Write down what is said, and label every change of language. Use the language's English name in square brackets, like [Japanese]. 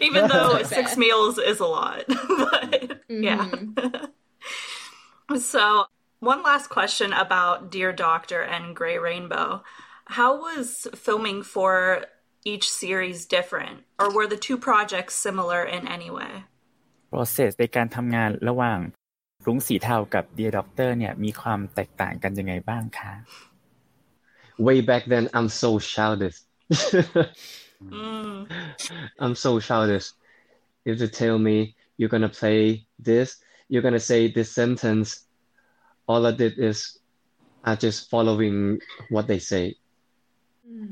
[English] Even though so six fair. Meals is a lot. But mm-hmm. Yeah. So one last question about Dear Doctor and Grey Rainbow. How was filming for each series different? Or were the two projects similar in any way? [Thai] Process ในการทำงานระหว่างรุ้งสีเทากับ Dear Doctor เนี่ยมีความแตกต่างกันยังไงบ้างคะ [English] Way back then, I'm so childish. Mm. I'm so childish. If you tell me you're gonna play this, you're gonna say this sentence, all I did is I just following what they say. Mm.